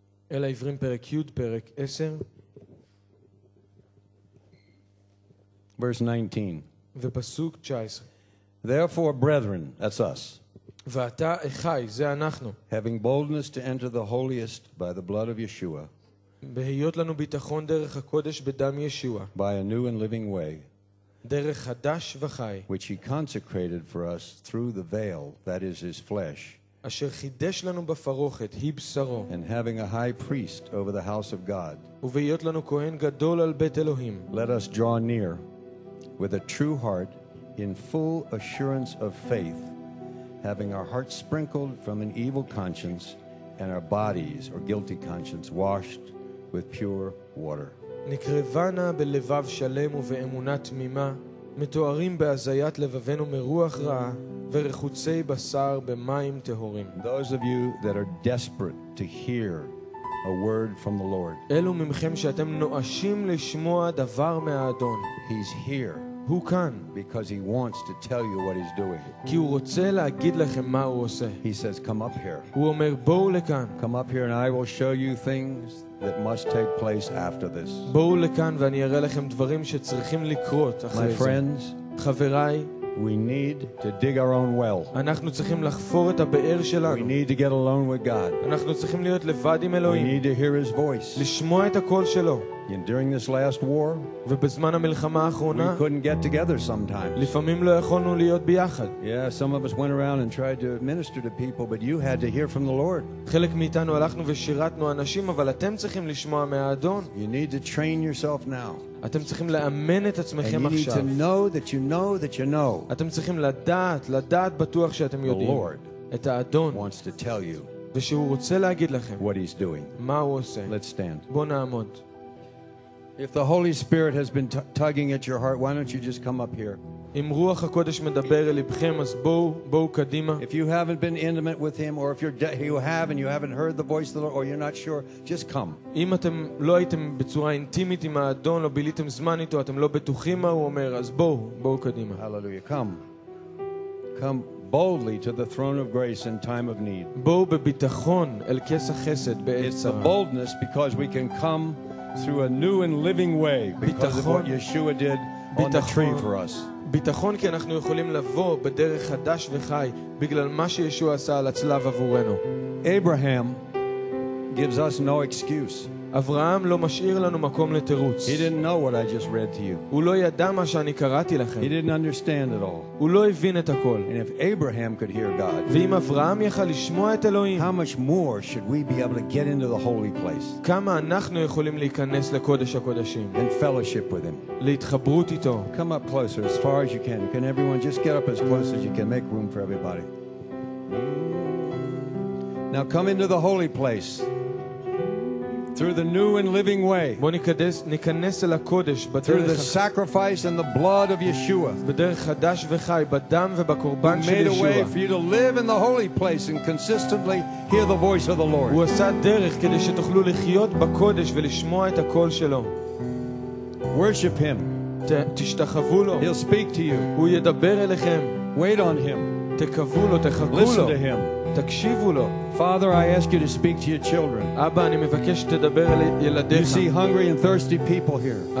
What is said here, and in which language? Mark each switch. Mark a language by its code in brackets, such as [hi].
[he] El Ivrim perek yud perek 10. [en] Verse 19. [he] Vepasuk 19. [en] Therefore, brethren, that's us. [he] Vata echai, ze anachnu. [en] Having boldness to enter the holiest by the blood of Yeshua. [he] בהיות לנו ביטחון דרך הקודש בדם ישוע. [en] By a new and living way. [he] דרך חדש וחי. [en] Which he consecrated for us through the veil, that is his flesh. [he] אשר חידש לנו בפרוכת, היא בשרו. [en] And having a high priest over the house of God. [he] ובהיות לנו כהן גדול על בית אלוהים. [en] Let us draw near with a true heart in full assurance of faith, having our hearts sprinkled from an evil conscience and our bodies or guilty conscience washed with pure water. [he] נקרבנה בלבב שלם ובאמונה תמימה, מתוארים בהזיית לבבנו מרוח רעה ורחוצי בשר במים טהורים. [en] Those of you that are desperate to hear a word from the Lord. [he] אלו ממכם שאתם נואשים לשמוע דבר מהאדון. [en] He's here. Who can? Because he wants to tell you what he's doing. [he] כי הוא רוצה להגיד לכם מה הוא עושה. [en] He says, "Come up here." [he] הוא אומר, בואו לכאן. [en] Come up here, and I will show you things that must take place after this. [he] בואו לכאן, ואני אראה לכם דברים שצריכים לקרות אחרי זה. [en] My friends, [he] חבריי, [en] we need to dig our own well. [he] אנחנו צריכים לחפור את הבאר שלנו. [en] We need to get alone with God. [he] אנחנו צריכים להיות לבד עם אלוהים. [en] We need to hear His voice. [he] לשמוע את הקול שלו. [en] And during this last war, [he] ובזמן המלחמה האחרונה, [en] we couldn't get together sometimes. [he] לפעמים לא יכולנו להיות ביחד. [en] Yeah, some of us went around and tried to minister to people, but you had to hear from the Lord. [he] חלק מאיתנו הלכנו ושירתנו אנשים, אבל אתם צריכים לשמוע מהאדון. [en] You need to train yourself now. [he] אתם צריכים לאמן את עצמכם עכשיו. [en] You need to know that you know that you know. [he] אתם צריכים לדעת, לדעת בטוח שאתם יודעים. [en] The Lord [he] את האדון [en] wants to tell you. [he] ושהוא רוצה להגיד לכם [en] what he's doing. [he] מה הוא עושה. [en] Let's stand. [he] בוא נעמוד. [en] If the Holy Spirit has been tugging at your heart, why don't you just come up here? [he] אם רוח הקודש מדבר ללבכם, אז בואו קדימה. [en] If you haven't been intimate with him, or if you have and you haven't heard the voice of the Lord, or you're not sure, just come. [he] אם אתם לא הייתם בצורה אינטימית עם האדון, לא ביליתם זמן איתו, אתם לא בטוחים מה הוא אומר, אז בואו קדימה. [en] Hallelujah. Come boldly to the throne of grace in time of need. [he] בואו בביטחון אל כס החסד בעת צרה. [en] It's a boldness because we can come through a new and living way because of what Yeshua did on the tree for us. [he] ביטחון כי אנחנו יכולים לבוא בדרך חדש וחי בגלל מה שישוע עשה על הצלב עבורנו. [en] Abraham gives us no excuse. [he] אברהם לא משאיר לנו מקום לתירוץ. [en] He didn't know what I just read to you. [he] הוא לא ידע מה שאני קראתי לכם. [en] He didn't understand it all. [he] הוא לא הבין את הכל. [en] And if Abraham could hear God, [he] ואם אברהם יכל לשמוע את אלוהים, [en] how much more should we be able to get into the holy place? [he] כמה אנחנו יכולים להיכנס לקודש הקודשים? [en] And fellowship with him. [he] להתחברות איתו. [en] Come up closer as far as you can. Can everyone just get up as close as you can, make room for everybody. Now come into the holy place. Through the new and living way. [he] ניכנס אל הקודש בדרך [en] Through the sacrifice and the blood of Yeshua. [he] בדרך חדש וחי בדם ובקורבן של ישוע. [en] Made a way for you to live in the holy place and consistently hear the voice of the Lord. [he] הוא עשה דרך כדי שתוכלו לחיות בקודש ולשמוע את הקול שלו. [en] Worship him. [he] תשתחוו לו. [en] He'll speak to you. [he] הוא ידבר אליכם. [en] Wait on him. [he] תקוו לו, תחכו לו. [en] Listen to him. [he] תקשיבו לו. [en] Father, I ask you to speak to your children. [he] אבא, אני מבקש שתדבר אל ילדיך. [en] You see hungry and thirsty people here.